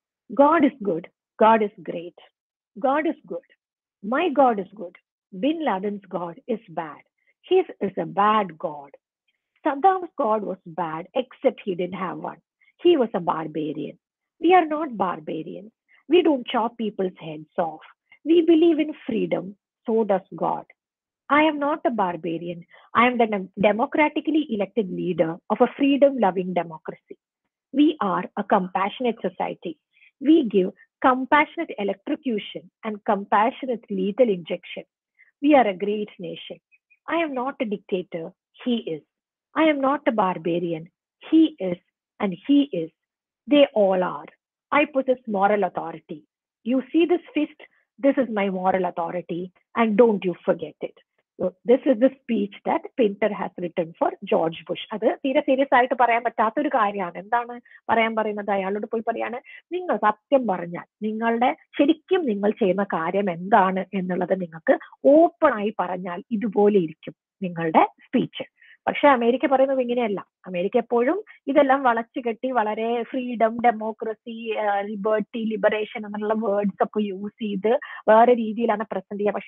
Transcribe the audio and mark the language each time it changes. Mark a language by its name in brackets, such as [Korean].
[English] God is good, God is great, God is good, my God is good, bin Laden's God is bad, he's is a bad God. Saddam's God was bad except he did have one, he was a barbarian. We are not barbarian, we don't chop people's heads off. We believe in freedom, so does God. I am not a barbarian. I am the democratically elected leader of a freedom-loving democracy. We are a compassionate society. We give compassionate electrocution and compassionate lethal injection. We are a great nation. I am not a dictator. He is. I am not a barbarian. He is and he is. They all are. I possess moral authority. You see this fist? This is my moral authority, and don't you forget it. So this is the speech that Pinter has written for George Bush. [Malayalam] അത് തീരെ serious ആയിട്ട് പറയാൻ പറ്റാത്ത ഒരു കാര്യമാണ്. എന്താണ് പറയാൻ പറയുന്നത്? അയാളോട് പോയി പറയാണ്, നിങ്ങൾ സത്യം പറഞ്ഞാൽ നിങ്ങളുടെ ശരിക്കും നിങ്ങൾ ചെയ്യുന്ന കാര്യം എന്താണ് എന്നുള്ളത് നിങ്ങൾക്ക് ഓപ്പൺ ആയി പറഞ്ഞാൽ ഇതുപോലെ ഇരിക്കും നിങ്ങളുടെ സ്പീച്ച്. പക്ഷെ അമേരിക്ക പറയുന്നത് ഇങ്ങനെയല്ല. അമേരിക്ക എപ്പോഴും ഇതെല്ലാം വളച്ചുകെട്ടി വളരെ ഫ്രീഡം, ഡെമോക്രസി, ലിബർട്ടി, ലിബറേഷൻ എന്നുള്ള വേർഡ്സ് ഒക്കെ യൂസ് ചെയ്ത് വേറെ രീതിയിലാണ് പ്രസന്റ് ചെയ്യുക.